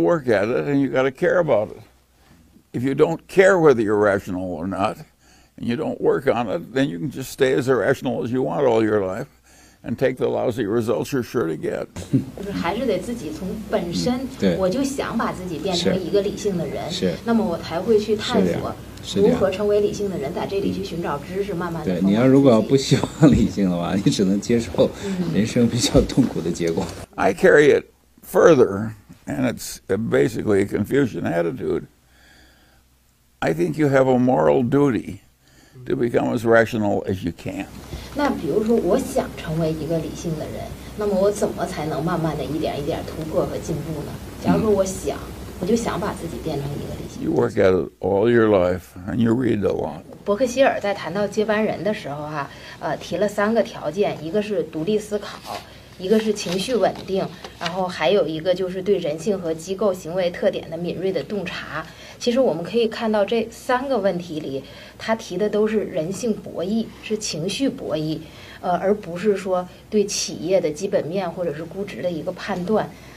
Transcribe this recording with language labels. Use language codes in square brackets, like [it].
[en] Well, you got to work at it, and you got to care about it. If you don't care whether you're rational or not, and you don't work on it, then you can just stay as irrational as you want all your life and take the lousy results you're sure to get. [zh] 还是得自己从本身，我就想把自己变成一个理性的人，那么我才会去探索如何成为理性的人，在这里去寻找知识，慢慢的。对，你要如果不希望理性的话，你只能接受人生比较痛苦的结果。 [en] I carry it further, and it's basically a Confucian attitude. I think you have a moral duty to become as rational as you can. [zh] 那比如说，我想成为一个理性的人。那么我怎么才能慢慢的一点一点突破和进步呢？假如说我想，我就想把自己变成一个理想。 [en] You work at it all your life, and you read a lot. [zh] 伯克希尔在谈到接班人的时候哈，提了三个条件，一个是独立思考。一个是情绪稳定，然后还有一个就是对人性和机构行为特点的敏锐的洞察。其实我们可以看到这三个问题里，他提的都是人性博弈，是情绪博弈，而不是说对企业的基本面或者是估值的一个判断。